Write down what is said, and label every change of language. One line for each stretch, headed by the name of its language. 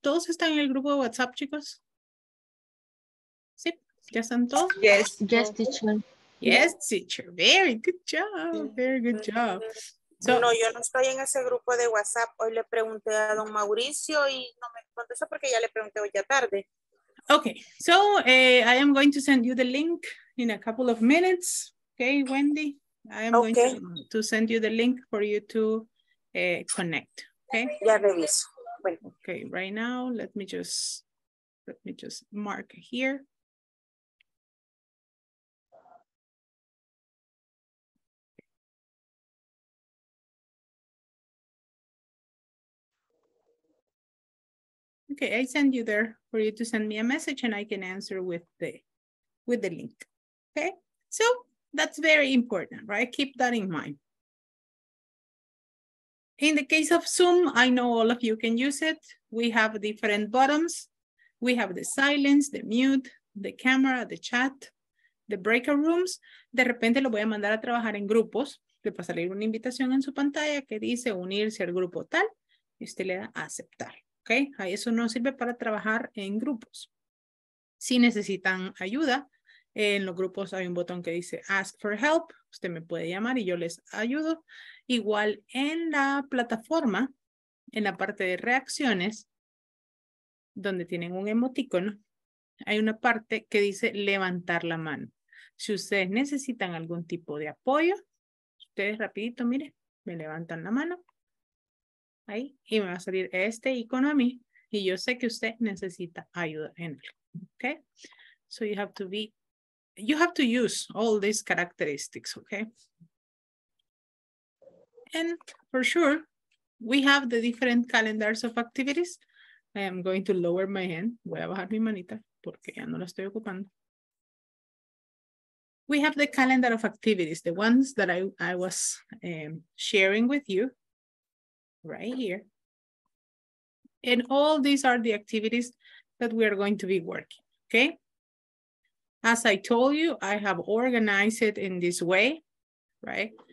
Spanish: ¿Todos están en el grupo de WhatsApp, chicos? ¿Sí? ¿Ya están todos?
English: Yes, yes, teacher. Yes, teacher. Very good job. Very good job.
Spanish: So, no, yo no estoy en ese grupo de WhatsApp. Hoy le pregunté a don Mauricio y no me contestó porque ya le pregunté hoy ya tarde.
English: Okay, so I am going to send you the link in a couple of minutes. Okay, Wendy, I am going to send you the link for you to connect, okay?
Spanish: Ya reviso.
English: Okay, right now, let me just mark here. Okay, I send you there for you to send me a message and I can answer with the link, okay? So that's very important, right? Keep that in mind. In the case of Zoom, I know all of you can use it. We have different buttons. We have the silence, the mute, the camera, the chat, the breakout rooms.
Spanish: De repente lo voy a mandar a trabajar en grupos. Le va a salir una invitación en su pantalla que dice unirse al grupo tal. Y usted le da a aceptar. Okay? Ahí eso no sirve para trabajar en grupos. Si necesitan ayuda, en los grupos hay un botón que dice Ask for Help. Usted me puede llamar y yo les ayudo. Igual en la plataforma, en la parte de reacciones, donde tienen un emoticono, hay una parte que dice levantar la mano. Si ustedes necesitan algún tipo de apoyo, ustedes rapidito, mire, me levantan la mano. Ahí, y me va a salir este icono a mí. Y yo sé que usted necesita ayuda en él.
English: Okay? So you have to be, you have to use all these characteristics, okay? And for sure, we have the different calendars of activities. I am going to lower my hand.
Spanish: Voy a bajar mi manita porque ya no la estoy ocupando.
English: We have the calendar of activities, the ones that I was sharing with you right here. And all these are the activities that we are going to be working, okay? As I told you, I have organized it in this way, right?